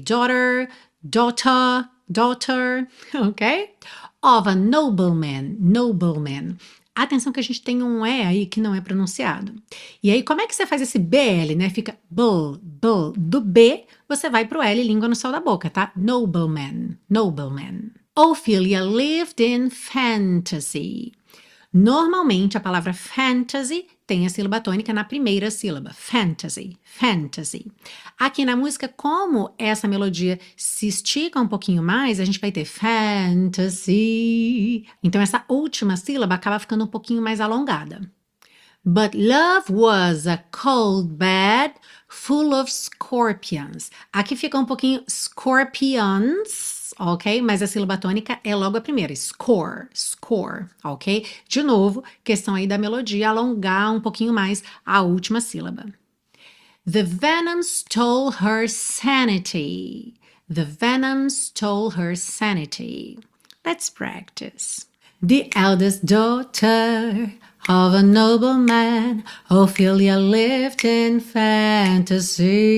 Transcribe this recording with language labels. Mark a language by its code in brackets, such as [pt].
[en] Daughter, daughter. Daughter, ok? Of a nobleman, nobleman. [pt] Atenção que a gente tem um E aí que não é pronunciado. E aí, como é que você faz esse BL, né? Fica bl, bl. Do B, você vai pro L, língua no céu da boca, tá? [en] Nobleman, nobleman. Ophelia lived in fantasy. [pt] Normalmente, a palavra fantasy tem a sílaba tônica na primeira sílaba. Fantasy, fantasy. Aqui na música, como essa melodia se estica um pouquinho mais, a gente vai ter fantasy. Então, essa última sílaba acaba ficando um pouquinho mais alongada. [en] But love was a cold bed full of scorpions. [pt] Aqui fica um pouquinho scorpions, ok? Mas a sílaba tônica é logo a primeira. Score, score, ok? De novo, questão aí da melodia, alongar um pouquinho mais a última sílaba. [en] The venom stole her sanity. The venom stole her sanity. Let's practice. The eldest daughter of a nobleman, Ophelia lived in fantasy.